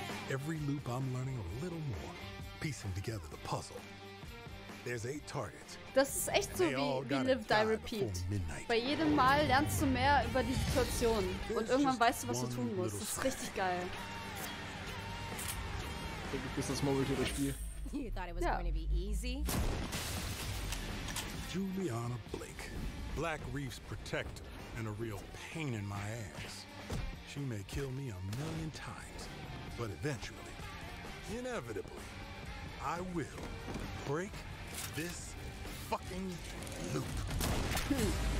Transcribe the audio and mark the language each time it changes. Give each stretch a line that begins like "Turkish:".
English: Every loop I'm learning a little more, piecing together the puzzle. There's 8 targets.
German: Das ist echt so wie Live, Die, Repeat. Bei jedem Mal lernst du mehr über die Situation. Und irgendwann weißt du, was du tun musst. Das ist richtig geil. Ist das Mobile-Spiel? Ja.
English: You thought it was going to be easy? Juliana Blake. Black Reef's protector. And a real pain in my ass. She may kill me a million times. But eventually, inevitably, I will break this fucking loop.